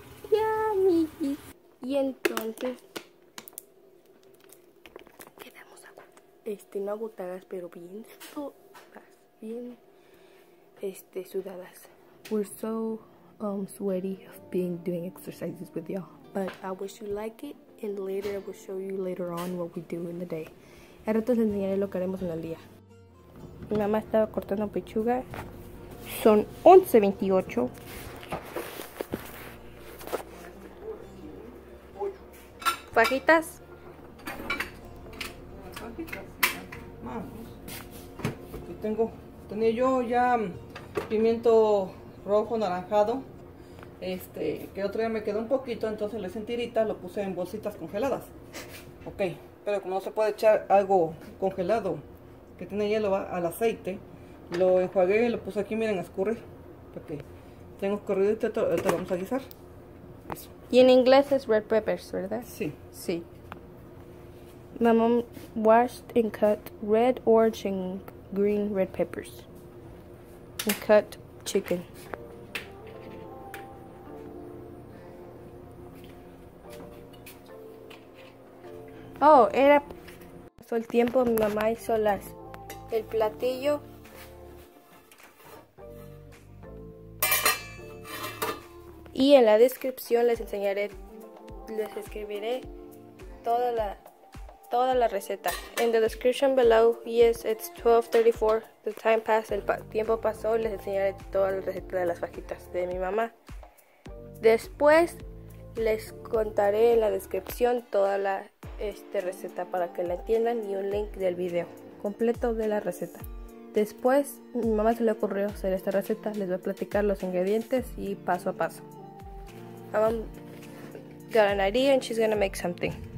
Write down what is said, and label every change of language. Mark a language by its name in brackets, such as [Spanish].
[Spanish] Ya, mi. Y entonces quedamos no agotadas, pero bien sudadas. [English] We're so sweaty of being doing exercises with y'all. But I wish you like it, and later I will show you later on what we do in the day. [Spanish] A rato les enseñaré lo que haremos en el día. Mi mamá estaba cortando pechuga. Son 11:28. Fajitas. Aquí tengo, tenía yo ya pimiento rojo naranjado, que otro día me quedó un poquito, entonces le hice en tiritas, lo puse en bolsitas congeladas. Ok, pero como no se puede echar algo congelado que tiene hielo al aceite, lo enjuagué y lo puse aquí, miren, a escurrir, porque tengo escurrido y te lo vamos a guisar. Eso. Y en inglés es [English] red peppers, [Spanish] ¿verdad? Sí. Sí. [English] My mom washed and cut red, orange, and green red peppers. And cut chicken. [Spanish] Oh, era... Pasó el tiempo, mi mamá hizo las... El platillo. Y en la descripción les enseñaré... Les escribiré... Toda la receta. [English] In the description below, yes, it's 12:34. The time passed, [Spanish] el tiempo pasó. Les enseñaré toda la receta de las fajitas de mi mamá. Después, les contaré en la descripción toda la receta para que la entiendan y un link del video completo de la receta. Después, a mi mamá se le ocurrió hacer esta receta. Les voy a platicar los ingredientes y paso a paso. [English] My mom got an idea and she's gonna make something.